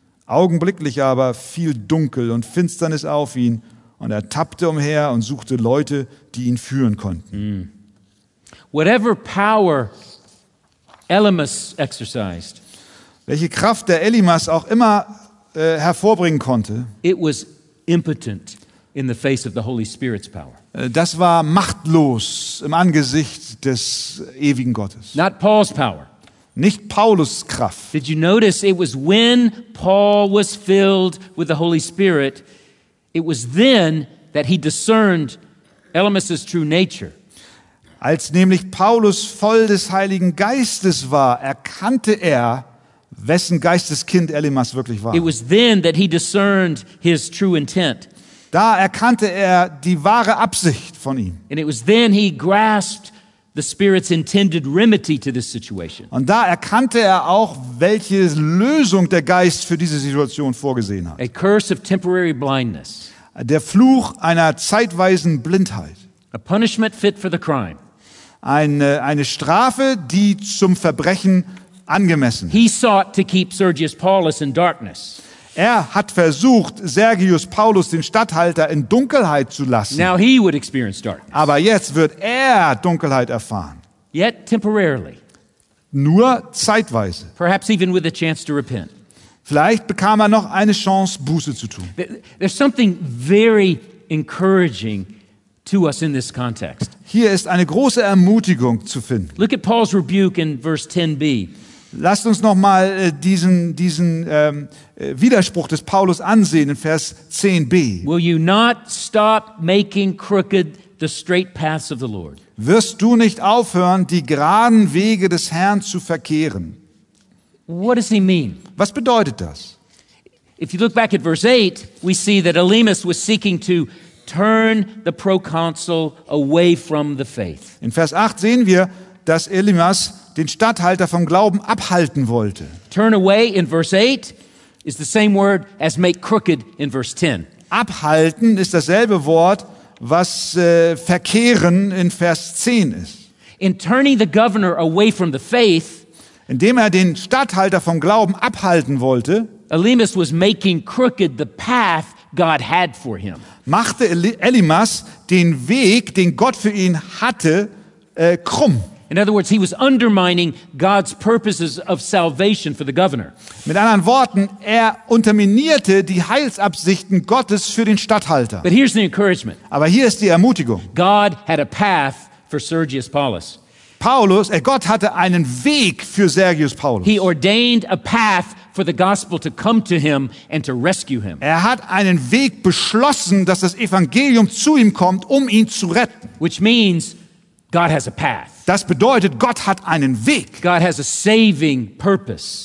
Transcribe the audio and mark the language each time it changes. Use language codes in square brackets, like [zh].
[de] Augenblicklich aber fiel Dunkel und Finsternis auf ihn, und er tappte umher und suchte Leute, die ihn führen konnten. [en] whatever power Elymas exercised, [de] welche Kraft der Elymas auch immer hervorbringen konnte, [en] it was impotent in the face of the Holy Spirit's power. [de] Das war machtlos im Angesicht des ewigen Gottes. [en] Not Paul's power. [de] Nicht Paulus Kraft. [en] Did you notice it was when Paul was filled with the Holy Spirit, it was then that he discerned Elymas's true nature. [de] Als nämlich Paulus voll des Heiligen Geistes war, erkannte er, wessen Geisteskind Elymas wirklich war. [en] It was then that he discerned his true intent. [de] Da erkannte er die wahre Absicht von ihm. [en] And it was then he grasped the Spirit's intended remedy to this situation. [de] Und da erkannte er auch, welche Lösung der Geist für diese Situation vorgesehen hat. [en] A curse of temporary blindness. [de] Der Fluch einer zeitweisen Blindheit. [en] A punishment fit for the crime. [de] Eine Strafe, die zum Verbrechen angemessen. [en] He sought to keep Sergius Paulus in darkness. [de] Er hat versucht, Sergius Paulus, den Statthalter, in Dunkelheit zu lassen. [en] Now he would experience darkness. [de] Aber jetzt wird er Dunkelheit erfahren. [en] Yet temporarily. [de] Nur zeitweise. [en] Perhaps even with a chance to repent. [de] Vielleicht bekam er noch eine Chance, Buße zu tun. [en] There's something very encouraging to us in this context. [de] Hier ist eine große Ermutigung zu finden. [en] Look at Paul's rebuke in verse 10b. [de] Lasst uns noch mal diesen Widerspruch des Paulus ansehen in Vers 10b. [en] Will you not stop making crooked the straight paths of the Lord? [de] Wirst du nicht aufhören, die geraden Wege des Herrn zu verkehren? [en] What does he mean? [de] Was bedeutet das? [en] If you look back at verse 8, we see that Elymas was seeking to turn the proconsul away from the faith. [de] In Vers 8 sehen wir, dass Elymas den Statthalter vom Glauben abhalten wollte. [en] Turn away in verse 8 is the same word as make crooked in verse 10. [de] Abhalten ist dasselbe Wort, was verkehren in Vers 10 ist. [en] In turning the governor away from the faith, [de] indem er den Statthalter vom Glauben abhalten wollte, [en] Elymas was making crooked the path God had for him. [de] Machte Elymas den Weg, den Gott für ihn hatte, krumm. [en] In other words, he was undermining God's purposes of salvation for the governor. [de] Mit anderen Worten, er unterminierte die Heilsabsichten Gottes für den Statthalter. [en] But here's the encouragement. [de] Aber hier ist die Ermutigung. [en] God had a path for Sergius Paulus. [de] Gott hatte einen Weg für Sergius Paulus. [en] He ordained a path for the gospel to come to him and to rescue him. [de] Er hat einen Weg beschlossen, dass das Evangelium zu ihm kommt, um ihn zu retten. [en] Which means God has a path. [de] Das bedeutet, Gott hat einen Weg. [en] God has a saving purpose.